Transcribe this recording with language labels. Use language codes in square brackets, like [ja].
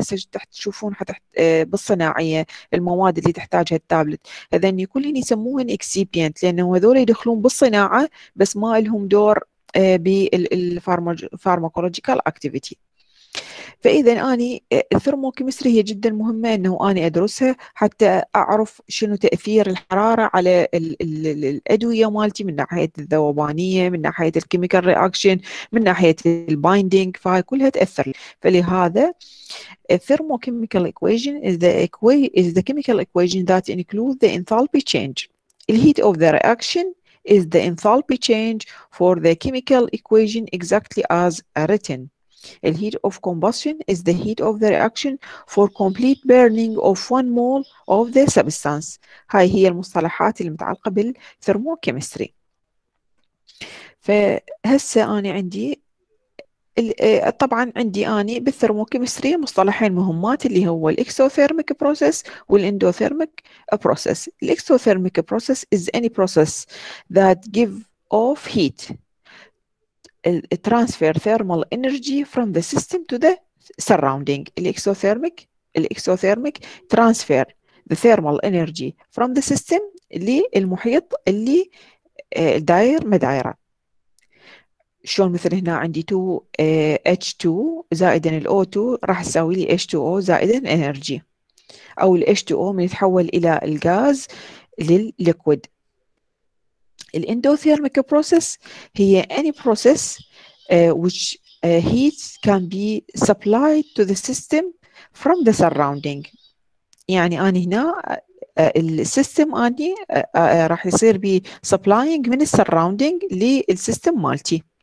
[ar] هسه تشوفون بالصناعيه المواد اللي تحتاجها التابلت، هذني كلهم يسموهن اكسيبيانت لانه هذول يدخلون بالصناعه بس ما لهم دور بالفارماكولوجيكال اكتيفيتي. فإذا أني الثرموكيمستري هي جدا مهمة أنه أني أدرسها حتى أعرف شنو تأثير الحرارة على الأدوية مالتي، من ناحية الذوبانية، من ناحية الكيميكال رياكشن، من ناحية البايندينج. فهاي كلها تأثر. [en] فلهذا الثرموكيميكال equation is the chemical equation that includes the enthalpy change. The heat of the reaction is the enthalpy change for the chemical equation exactly as written. The heat of combustion is the heat of the reaction for complete burning of one mole of the substance. [ar] هاي هي المصطلحات المتعلقة بالثرموكيمستري. فهسه أنا عندي طبعا عندي اني بالثرموكيمستري مصطلحين مهمات اللي هو الاكسوثيرميك بروسيس والاندوثيرميك بروسيس. [en] الاكسوثيرميك process is any process that give off heat transfer thermal energy from the system to the surrounding. الاكسوثيرميك transfer the thermal energy from the system [ar] للمحيط اللي داير ما دايره. شلون مثل هنا عندي 2H2 زائد الO2 راح تساوي لي H2O زائد energy، أو ال H2O من يتحول إلى الغاز للليكويد. [en] ال endothermic process هي any process which heat can be supplied to the system from the surrounding. [ar] يعني أنا هنا السيستم أني راح يصير بي supplying من ال surrounding للسيستم مالتي.